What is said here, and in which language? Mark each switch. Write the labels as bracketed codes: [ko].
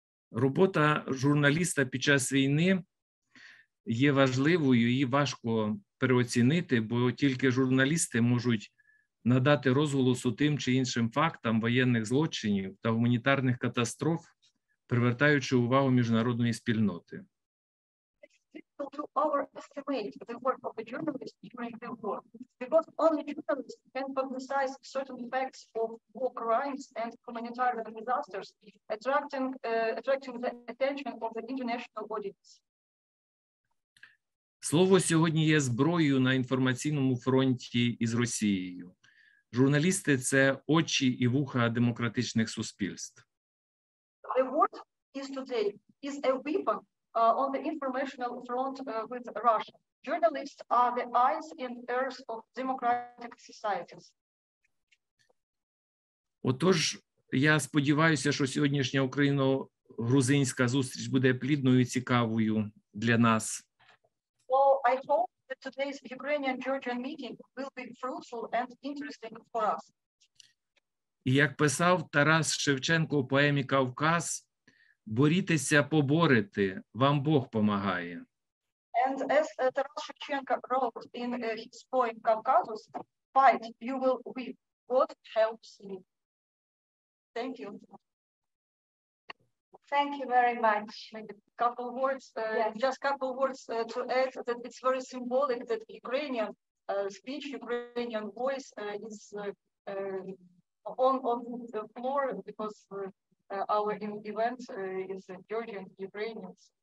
[uk] Робота журналіста під час війни є важливою, її важко переоцінити, бо тільки журналісти можуть надати розголосу тим чи іншим фактам воєнних злочинів та гуманітарних катастроф, привертаючи увагу міжнародної спільноти. [en] To overestimate the work of a journalist during the war, because only journalists can publicize certain facts of war crimes and humanitarian disasters, attracting the attention of the international audience. [uk] Слово сьогодні є зброєю на інформаційному фронті із Росією. Журналісти – це очі і вуха демократичних суспільств. [en] The word is today is a weapon on the informational front with Russia. Journalists are the eyes and ears of democratic societies. [uk] Отож, я сподіваюся, що сьогоднішня україно-грузинська зустріч буде плідною і цікавою для нас. [en] Well, I hope that today's Ukrainian-Georgian meeting will be fruitful and interesting for us. [uk] І як писав Тарас Шевченко у поемі «Кавказ», борітеся, поборити, вам Бог помагає. [en] And as Taras Shevchenko wrote in his poem Caucasus, fight, you will win. God helps me. Thank you. Thank you very much. Maybe couple words, yes. Just couple words to add that it's very symbolic that Ukrainian speech, Ukrainian voice is on the floor because our event is Georgian Ukrainians.